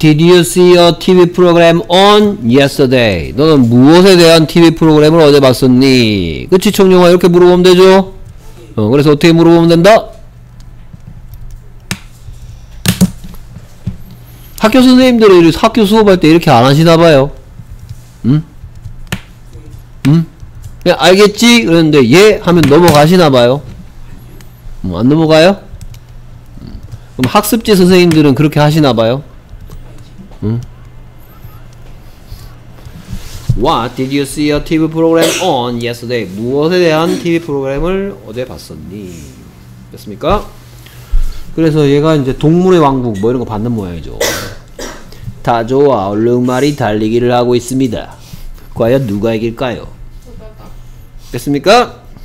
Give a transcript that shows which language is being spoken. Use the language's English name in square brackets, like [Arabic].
[English] Did you see a TV program on yesterday? [Korean] 너는 무엇에 대한 TV 프로그램을 어제 봤었니? 그치 청룡아, 이렇게 물어보면 되죠? 그래서 어떻게 물어보면 된다? 학교 선생님들이 학교 수업할 때 이렇게 안 하시나봐요. 응? 응? 음? 알겠지? 그랬는데 예? 하면 넘어가시나봐요. 안 넘어가요? 그럼 학습지 선생님들은 그렇게 하시나봐요. [English] What did you see a TV program on yesterday? [Korean] 무엇에 대한 TV 프로그램을 어제 봤었니? 됐습니까? 그래서 얘가 이제 동물의 왕국 뭐 이런거 받는 모양이죠. 타조와 얼룩말이 달리기를 하고 있습니다. 과연 누가 이길까요? 됐습니까?